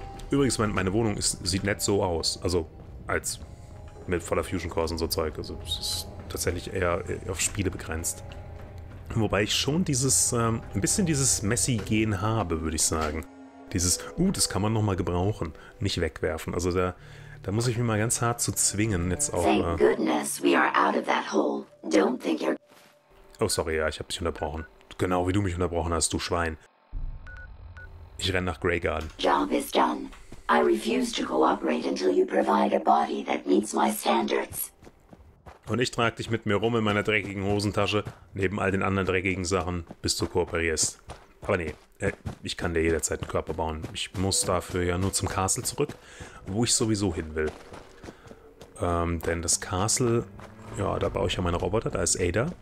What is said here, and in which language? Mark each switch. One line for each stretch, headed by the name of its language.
German: Übrigens, meine Wohnung sieht nett so aus. Also, als mit voller Fusion Cores und so Zeug. Also, es ist tatsächlich eher auf Spiele begrenzt. Wobei ich schon dieses, ein bisschen dieses Messi-Gen habe, würde ich sagen. Dieses, das kann man nochmal gebrauchen. Nicht wegwerfen. Also, da muss ich mich mal ganz hart zu zwingen, jetzt auch.
English: Thank goodness we are out of that hole. Don't think you're...
German: Oh, sorry, ja, ich habe dich unterbrochen. Genau wie du mich unterbrochen hast, du Schwein. Ich renne nach Greyguard.
English: Job is done. I refuse to cooperate until you provide a body that meets my standards.
German: Und ich trage dich mit mir rum in meiner dreckigen Hosentasche, neben all den anderen dreckigen Sachen, bis du kooperierst. Aber nee, ich kann dir jederzeit einen Körper bauen. Ich muss dafür ja nur zum Castle zurück, wo ich sowieso hin will. Denn das Castle, ja, da baue ich ja meine Roboter, da ist Ada.